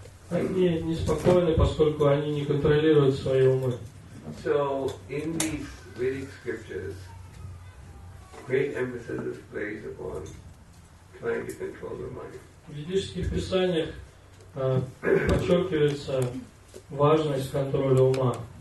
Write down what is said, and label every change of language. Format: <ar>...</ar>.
<ru>Они неспокойны, поскольку они не контролируют свои умы.</ru> <en>So in these Vedic scriptures, great emphasis is placed upon trying to control the mind.</en> <ru>В ведических писаниях подчеркивается важность контроля ума.</ru>